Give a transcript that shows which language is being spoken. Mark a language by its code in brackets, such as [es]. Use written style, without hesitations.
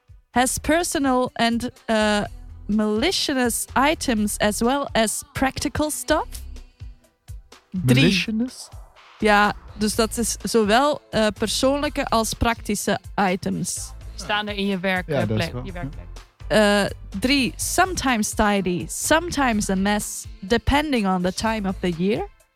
[en] Has personal and malicious items as well as practical stuff. 3. Malicious? [nl] Ja, dus dat is zowel persoonlijke als praktische items. staan er in je werkplek. Ja, dat is wel. Je werkplek. Ja. 3. [en] Sometimes tidy, sometimes a mess, depending on the time of the year.